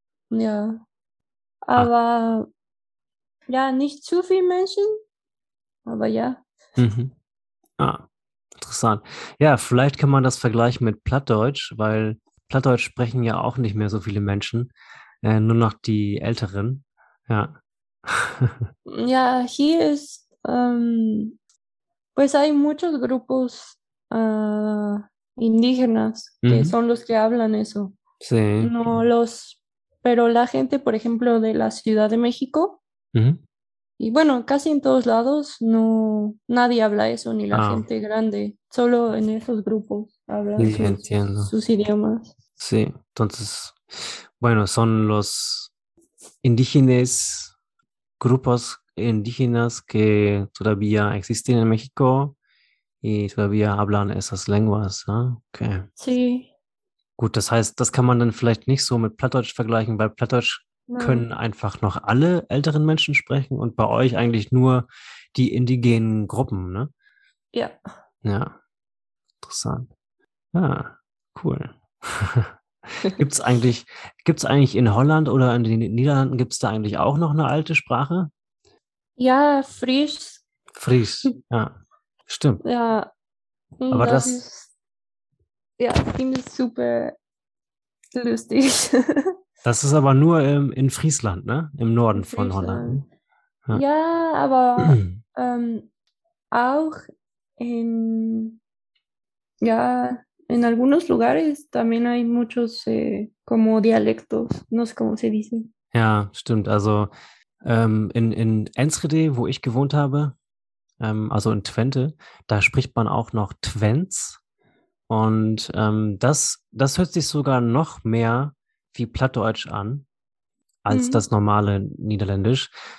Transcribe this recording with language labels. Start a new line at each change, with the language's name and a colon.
German: Ja, aber ja, nicht zu viel Menschen, aber ja. Ah, interessant. Ja, vielleicht kann man das vergleichen mit Plattdeutsch, weil Plattdeutsch sprechen ja auch nicht mehr so viele Menschen, nur noch die Älteren. Ja. Ja, hier ist,
Spanish: pues hay muchos grupos indígenas que son los que hablan eso. Sí. No los, pero la gente, por ejemplo, de la Ciudad de México, y bueno, casi en todos lados, no, nadie habla eso, ni la Ah. gente grande, solo en esos grupos hablan Sí, entiendo. sus idiomas. Sí, entonces, bueno, son los indígenas, grupos indígenas que todavía existen en México y todavía hablan esas lenguas, ¿no?
English: Okay.
Spanish: Sí.
German: Gut, das heißt, das kann man dann vielleicht nicht so mit Plattdeutsch vergleichen, weil Plattdeutsch können Nein. einfach noch alle älteren Menschen sprechen und bei euch eigentlich nur die indigenen Gruppen, ne? Ja. Ja, interessant. Ah, cool. Gibt's eigentlich in Holland oder in den Niederlanden, gibt's da eigentlich auch noch eine alte Sprache? Ja, frisch. Fries, ja, stimmt. Ja, Aber das das. ist. Ja, ich finde es super lustig. Das ist aber nur in Friesland, ne? Im In Norden von Holland, Friesland. Ja, ne? aber auch
Spanish: en, ja, en algunos lugares también hay muchos como dialectos, no sé cómo se dice. Ja, stimmt. Also in Enschede, wo ich gewohnt habe, also in Twente, da spricht man auch noch Twents. Und das hört sich sogar noch mehr wie Plattdeutsch an, als das normale Niederländisch.